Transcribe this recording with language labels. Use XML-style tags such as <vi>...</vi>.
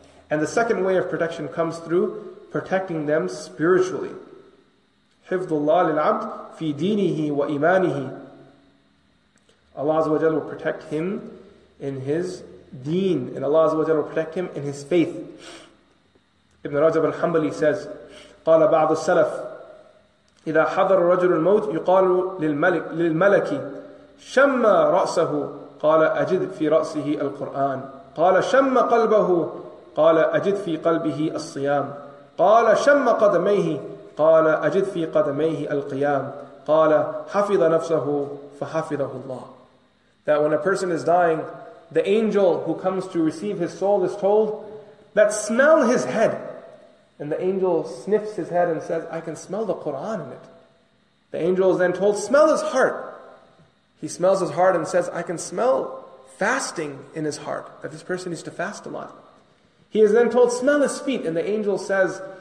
<en>And the second way of protection comes through protecting them spiritually.</en> <ar>حِفْظُ اللَّهِ لِلْعَبْدِ فِي دِينِهِ وَإِيمَانِهِ.</ar> <en>Allah Azza wa Jalla will protect him in his deen, and Allah Azza wa Jalla will protect him in his faith. Ibn Rajab al-Hanbali says,</en> <ar>قَالَ بَعْضُ السَّلَفِ إِذَا حَضَرَ الرَّجُلُ الْمَوْتِ يُقَالُ لِلْمَلَكِ شَمَّ رَأْسَهُ قَالَ أَجِدْ فِي رَأْسِهِ الْقُرْآنِ قَالَ شَمَّ قَلْبَهُ قَالَ أَجِدْ فِي قَلْبِهِ الصِّيَامِ قَالَ شَمَّ قَدَمَيْهِ قَالَ أَجِدْ فِي قَدَمَيْهِ الْقِيَامِ قَالَ حَفِظَ نَفْسَهُ فَحَفِظَهُ اللَّهُ.</ar> <en>That when a person is dying, the angel who comes to receive his soul is told that smell his head. And the angel sniffs his head and says, I can smell the Qur'an in it. The angel is then told, smell his heart. He smells his heart and says, I can smell fasting in his heart, that this person needs to fast a lot. He is then told, smell his feet. And the angel says,</en>